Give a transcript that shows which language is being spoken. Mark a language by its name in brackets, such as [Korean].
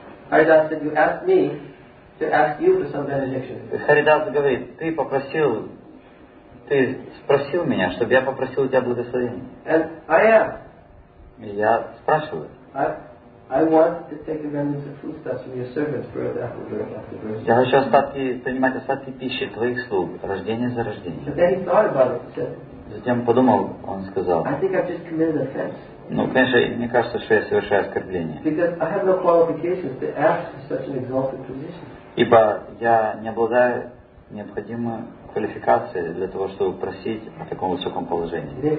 [English] Haridas said, you asked me to ask you for some benediction. [Russian] Haridas говорит, ты спросил меня, чтобы я попросил у тебя благословения. [English] And I am. [Russian] Я спрашиваю. [English] I want to take the remnants of foodstuffs from your servants, birth after birth after birth. [Russian] Я хочу принимать остатки пищи твоих слуг, рождение за рождение. [English] But then he thought about it. Said, [Russian] затем подумал, он сказал. [English] I think I've just committed offense. [Russian] Ну, конечно, мне кажется, что я совершаю оскорбление. Ибо я не обладаю необходимой квалификацией для того, чтобы просить о таком высоком положении.